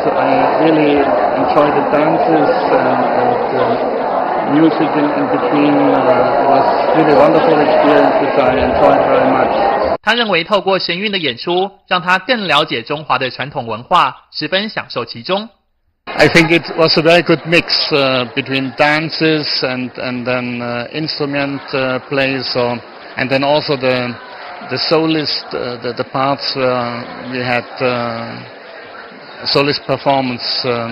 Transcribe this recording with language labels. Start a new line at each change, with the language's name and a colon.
English: I really enjoyed the dances and the music in between. It was really wonderful experience. I enjoyed very much.
Chinese: 他认为透过神韵的演出，让他更了解中华的传统文化，十分享受其中。
English: I think it was a very good mix between dances and then instrument plays, or and then also the soloist the parts we had soloist performance.